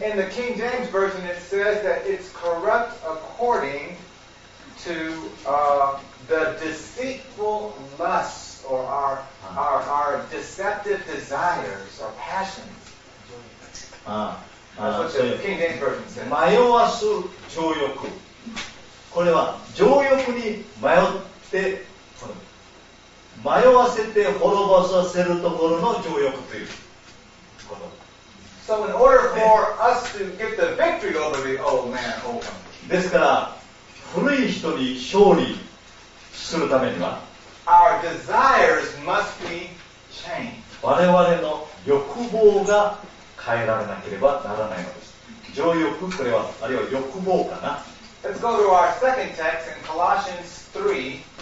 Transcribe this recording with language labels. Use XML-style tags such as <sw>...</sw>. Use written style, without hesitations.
<en>In the King James Version, it says that it's corrupt according to the deceitful lusts or our deceptive desires or passions.</en> <ja>そう、迷わす情欲、これは情欲に迷って迷わせて滅ぼさせるところの情欲というこの。</ja> <en>So in order for us to get the victory over the old man,</en> <ja>ですから古い人に勝利するためには、</ja> <en>our desires must be changed.</en> <ja>我々の欲望が変えられなければならないのです。情欲、これはあるいは欲望かな。</ja> <en>Let's go to our second text in Colossians 3.</en>